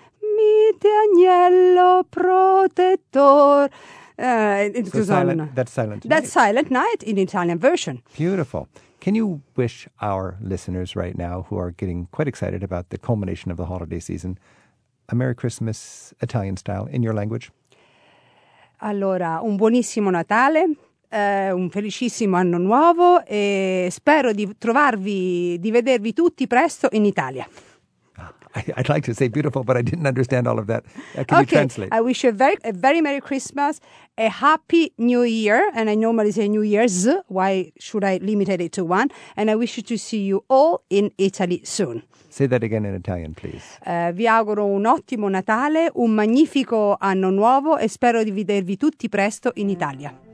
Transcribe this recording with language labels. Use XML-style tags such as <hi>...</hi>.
<it>Mite agnello protettor.</it> <en>That's Silent Night in Italian version. Beautiful. Can you wish our listeners right now, who are getting quite excited about the culmination of the holiday season, a Merry Christmas Italian style in your language?</en> <it>Allora, un buonissimo Natale, un felicissimo anno nuovo e spero di trovarvi, di vedervi tutti presto in Italia.</it> <en>I'd like to say beautiful, but I didn't understand all of that. Can you translate? I wish you a very Merry Christmas, a Happy New Year, and I normally say New Year's. Why should I limit it to one? And I wish you to see you all in Italy soon. Say that again in Italian, please.</en> <it>Vi auguro un ottimo Natale, un magnifico anno nuovo, e spero di vedervi tutti presto in Italia.</it>